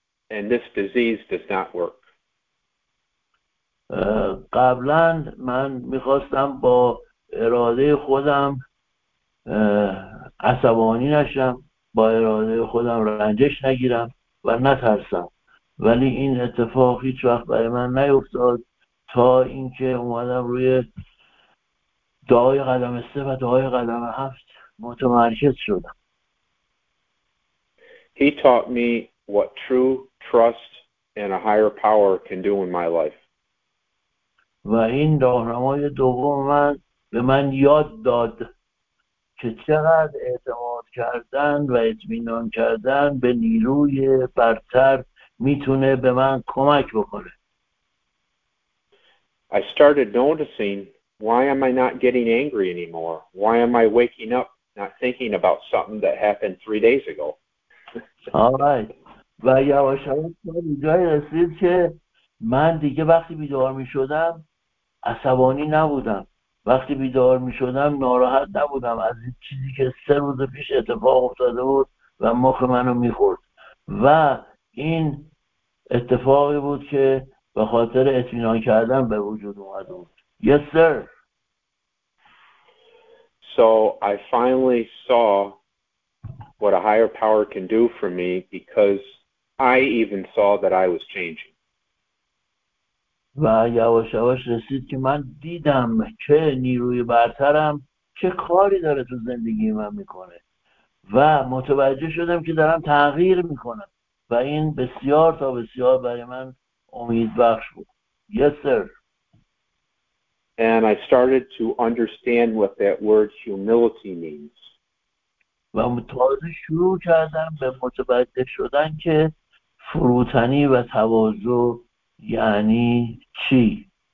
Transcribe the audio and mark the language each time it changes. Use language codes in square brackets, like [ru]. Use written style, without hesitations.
[en] and this disease does not work. [fa] قبلا من میخواستم با اراده خودم عصبانی نشم، با اراده خودم رنجش نگیرم و نترسم، ولی این اتفاق هیچ وقت برای من نیفتاد تا اینکه اومدم روی دعای قدم سه و دعای قدم هفت متمرکز شدم. [en] He taught me what true trust and a higher power can do in my life. [fa] و این راهنمای دوم من به من یاد داد که چقدر اعتماد کردن و اطمینان کردن به نیروی برتر میتونه به من کمک بکنه. [en] I started noticing, why am I not getting angry anymore? Why am I waking up not thinking about something that happened 3 days ago? All right. [fa] و یواش یواش به جای رسید که من دیگه وقتی بیدار میشدم عصبانی نبودم، وقتی بیدار میشدم ناراحت نبودم از این چیزی که سه روز پیش اتفاق افتاده بود و مخ منو میخورد، و این اتفاقی بود که به خاطر اطمینان کردن به وجود اومده بود. [en] Yes, sir. So I finally saw what a higher power can do for me because I even saw that I was changing. [fa] و یواش یواش رسید که من دیدم که نیروی برترم چه کاری داره تو زندگی من میکنه و متوجه شدم که دارم تغییر میکنم و این بسیار تا بسیار برای من امیدبخش بود. [en] Yes, sir. And I started to understand what that word humility means. [fa] و تازه شروع کردم به متوجه شدن که فروتنی و تواضع یعنی چی.